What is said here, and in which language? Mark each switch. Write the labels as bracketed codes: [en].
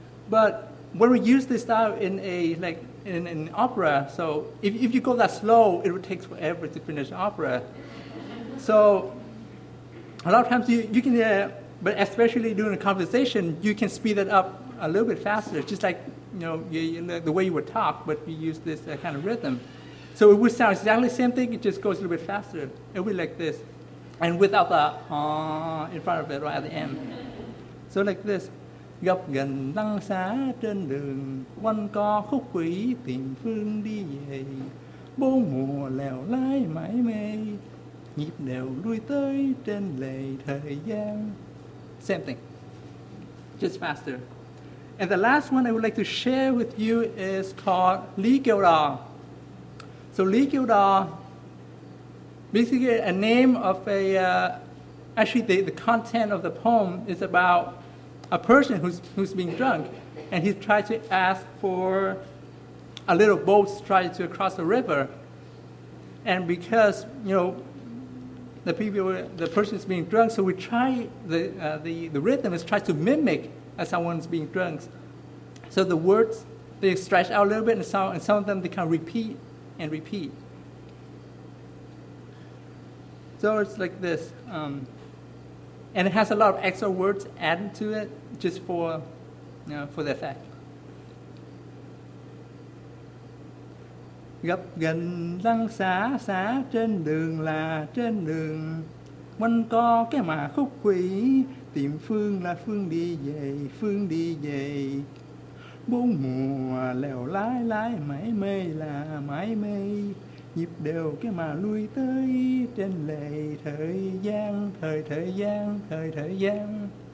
[en] But when we use this style in a like in an opera, so if you go that slow, it would take forever to finish an opera. So a lot of times you can, but especially during a conversation, you can speed it up a little bit faster, just like the way you would talk, but we use this kind of rhythm. So it would sound exactly the same thing, it just goes a little bit faster. It would be like this. And without the in front of it right at the end. So like this. [vi] Gặp gần lăng xá trên đường, quanh co khúc quỷ tìm phương đi về. Bốn mùa lèo lái mãi mê, nhịp đều lui tới trên lề thời gian. [en] Same thing, just faster. And the last one I would like to share with you is called Lý Kiều Đò. So Lý Kiều Đò, basically a name of a, actually the content of the poem is about a person who's being drunk, and he tried to ask for a little boat to try to cross a river. And because, the person is being drunk, so we try, the rhythm is try to mimic as someone's being drunk. So the words, they stretch out a little bit, and some of them they kind of repeat and repeat. So it's like this. And it has a lot of extra words added to it just for the effect. [vi] Gặp gần lăng xá xá trên đường quanh co cái mà khúc quỷ tìm phương là phương đi về bốn mùa lèo lái lái mãi mê là mãi mê nhịp đều cái mà lui tới trên lề thời gian thời gian.